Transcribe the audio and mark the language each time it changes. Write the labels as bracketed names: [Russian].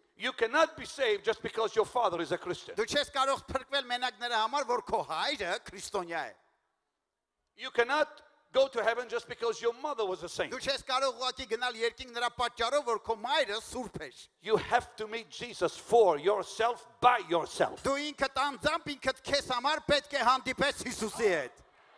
[English] You cannot be saved just because your father is a Christian. [Armenian] Դու չես կարող փրկվել մենակ նրա համար, որ քո հայրը քրիստոնյա է. [English] You cannot go to heaven just because your mother was a saint. [Armenian] Դու չես կարող ուղղակի գնալ երկինք նրա պատճառով, որ քո մայրը սուրբ էր. [English] You have to meet Jesus for yourself by yourself. [Armenian] Դու ինքդ անձամբ ինքդ քեզ համար պետք է հանդիպես Հիսուսի հետ.